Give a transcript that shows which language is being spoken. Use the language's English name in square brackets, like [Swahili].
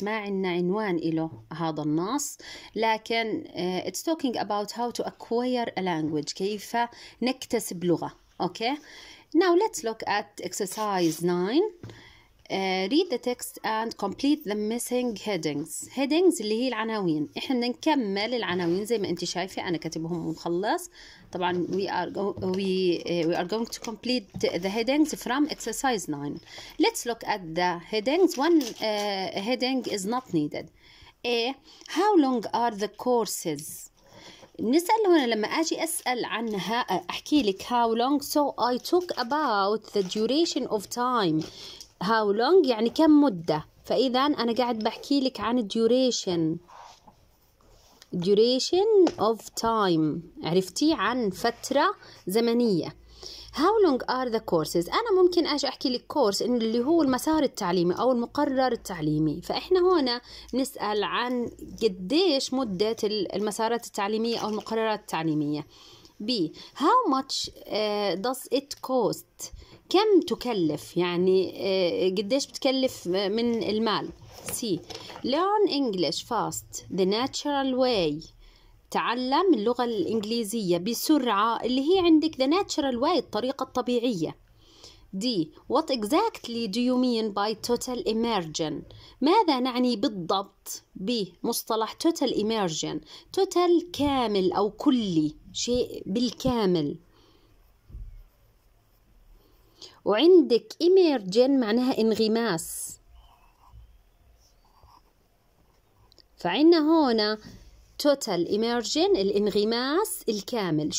[Arabic] ما عنا عنوان إلو هذا النص. [English] لكن it's talking about how to acquire a language. [Arabic] كيف نكتسب لغة. [English] Okay. Now let's look at exercise 9. Read the text and complete the missing headings. [Arabic] Headings اللي هي العناوين. إحنا نكمل العناوين زي ما أنت شايفة أنا كتبهم ومخلص. [English] طبعاً we are going to complete the headings from exercise 9. Let's look at the headings. One heading is not needed. A. How long are the courses? [Arabic] نسأل هنا لما أجي أسأل عنها أحكي لك how long. [English] So I talk about the duration of time. [Arabic] How long يعني كم مدة؟ فإذا أنا قاعد بحكي لك عن duration of time، عرفتي عن فترة زمنية. [English] How long are the courses؟ [Arabic] أنا ممكن أجي أحكي لك كورس اللي هو المسار التعليمي أو المقرر التعليمي، فإحنا هنا نسأل عن قديش مدة المسارات التعليمية أو المقررات التعليمية. [English] B. How much does it cost؟ [Arabic] كم تكلف؟ يعني قديش بتكلف من المال؟ C. [English] Learn English fast the natural way. [Arabic] تعلم اللغة الإنجليزية بسرعة اللي هي عندك [English] the natural way [Arabic] الطريقة الطبيعية. [English] D. What exactly do you mean by total immersion? [Arabic] ماذا نعني بالضبط بمصطلح total immersion؟ total كامل أو كلي، شيء بالكامل. وعندك immersion معناها انغماس، فعنا هنا total immersion الانغماس الكامل.